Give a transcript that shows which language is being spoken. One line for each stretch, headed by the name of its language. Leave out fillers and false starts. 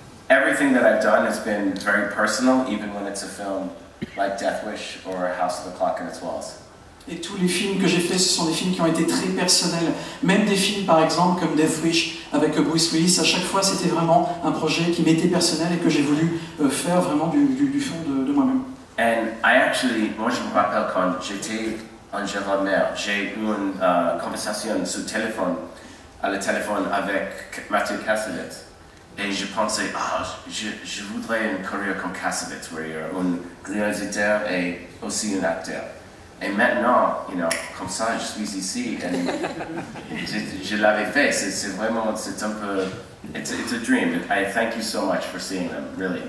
English: And everything that I've done has been very personal, even when it's a film like Death Wish or House of the Clock in its Walls.
French: Et tous les films que j'ai faits, ce sont des films qui ont été très personnels. Même des films, par exemple, comme Death Wish avec Bruce Willis, à chaque fois, c'était vraiment un projet qui m'était personnel et que j'ai voulu faire vraiment du fond de moi-même.
English: And I actually,
French: moi, je me rappelle quand j'étais en Jérôme, j'ai eu une conversation sur téléphone, à le téléphone avec Matthew Kassovitz. Et je pensais, oh, je voudrais une carrière comme Kassovitz, où il y a un réalisateur et aussi un acteur. Et maintenant, comme ça, je suis ici et je l'avais fait. C'est
English: a dream. I thank you so much for seeing them, really.